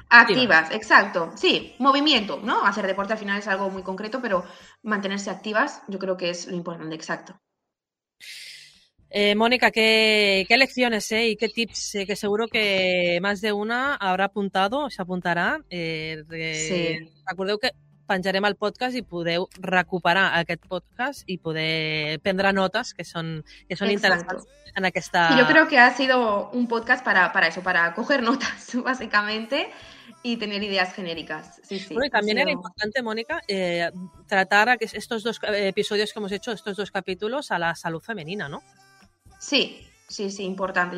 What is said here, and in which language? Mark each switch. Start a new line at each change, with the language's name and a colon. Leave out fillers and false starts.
Spanish: Activas, exacto. Sí, movimiento, ¿no? Hacer deporte al final es algo muy concreto, pero mantenerse activas yo creo que es lo importante, exacto. Mónica, ¿qué lecciones y qué tips? Que seguro que más de una habrá apuntado, se apuntará. Sí.
Catalan: Acordeu que penjarem el podcast i podeu recuperar aquest podcast i poder prendre notes que són interessants en aquesta...
Spanish: Yo creo que ha sido un podcast para eso, para coger notas, básicamente, y tener ideas genéricas. Sí, bueno, y también era importante, Mónica, tratar estos dos episodios que hemos hecho, estos dos capítulos, a la salud femenina, ¿no? Sí. Sí, sí, importante.